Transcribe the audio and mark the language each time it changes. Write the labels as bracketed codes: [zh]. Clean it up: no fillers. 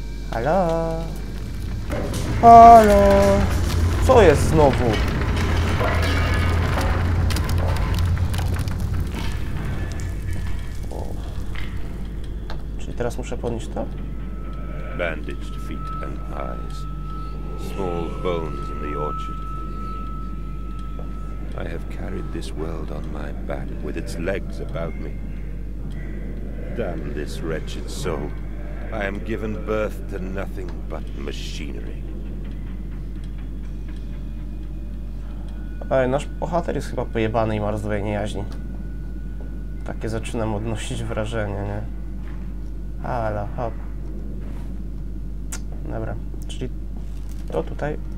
[pl] Halo? Halo? Co jest znowu? Teraz muszę podnieść to. [en] Bandaged feet and eyes. Small bones in the orchard. I have carried this world on my back with its legs about me. Damn this wretched soul. I am given birth to nothing but machinery. [pl] Ale nasz bohater jest chyba pojebany i ma rozwój niejaźni. Takie zaczynam odnosić wrażenie, nie? Ala, hop. Dobra, czyli to tutaj.